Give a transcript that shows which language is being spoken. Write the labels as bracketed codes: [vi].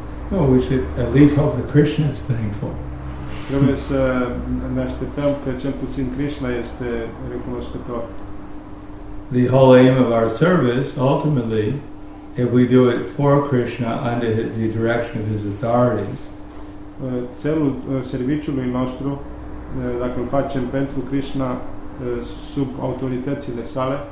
[en] No, we should at least hope that Krishna is thankful. [ro] Trebuie să ne așteptăm că cel puțin Krishna este recunoscător. [en] The whole aim of our service, ultimately, if we do it for Krishna under the direction of his authorities, [ro] celul serviciului nostru, dacă îl facem pentru Krishna, sub autoritățile sale,